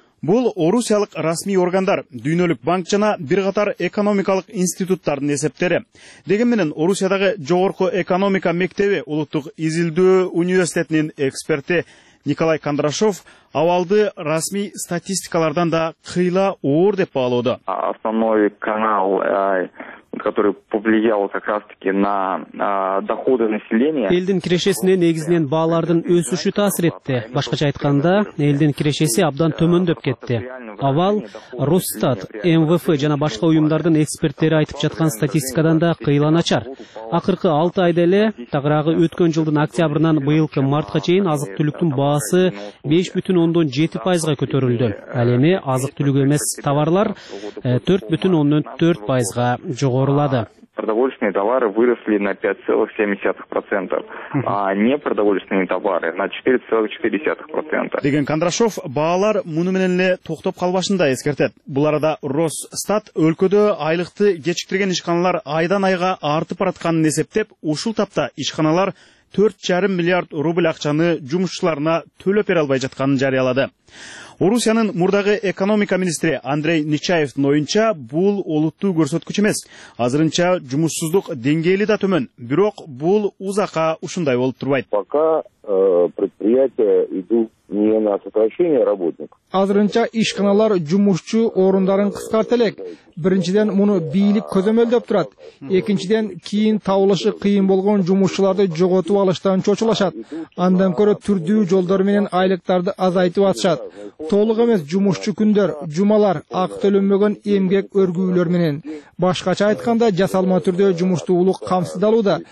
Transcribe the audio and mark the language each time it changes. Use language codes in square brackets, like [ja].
[ky] Бул орусиялык расмий органдар, дүйнөлүк банк жана бир катар экономикалык институттардын эсептери. Деген менен Орусиядагы жогорку экономика мектеби улуттук изилдөө университетинин эксперти Николай Кондрашов абалды расмий статистикалардан да кыйла оор деп баалоодо. [ru] Основной канал, который повлиял как раз таки на доходы населения. [ky] Элдин кирешесине негизинен баалардын өсүшү таасир этти. Башкача айтканда, элдин кирешеси абдан төмөндөп кетти. Авал Росстат, МВФ жана башка уюмдардын эксперттери айтып жаткан статистикадан да кыйланачар. Акыркы 6 айда эле, тагыраагы өткөн жылдын октябрынан быйылкы мартка чейин азык түлүктүн баасы 5.7% көтөрүлдү. Ал эми азык түлүк эмес товарлар 4.4% жогорулады. [ru] Продовольственные товары выросли на 5.7%, а непродовольственные товары на 4.4%. [ky] Деген Кондрашов баалар муну менен эле токтоп калбашында эскертет. Бул арада Росстат өлкөдө айлыкты кечиктирген ишканалар айдан айга артып баратканын эсептеп, ушул тапта ишканалар 4,5 миллиард рубль акчаны жумушчуларына төлөп бере албай жатканын жарыялады. Орусиянын мурдагы экономика министри Андрей Нечаевдин оюнча, бул олуттуу көрсөткүч эмес. Азырынча жумушсуздук деңгээли да төмөн, бирок бул узакка ушундай болуп турбайт. [ru] Пока предприятия идут не на сокращение работников. [ky] Азырынча ишканалар жумушчу орундарын кыскарта элек. Биринчиден муну бийлик көзөмөлдөп турат. Экинчиден кийин табылышы кыйын болгон жумушчуларды жоготуп алыштан чочулашат. Андан көрө түрдүү жолдор менен айлыктарды азайтып атышат. Толук эмес жумушчу күндөр, жумалар, ак төлөнбөгөн эмгек өргүүлөр менен. Башкача айтканда, жасалма түрдө жумуштуулук камсыздалууда.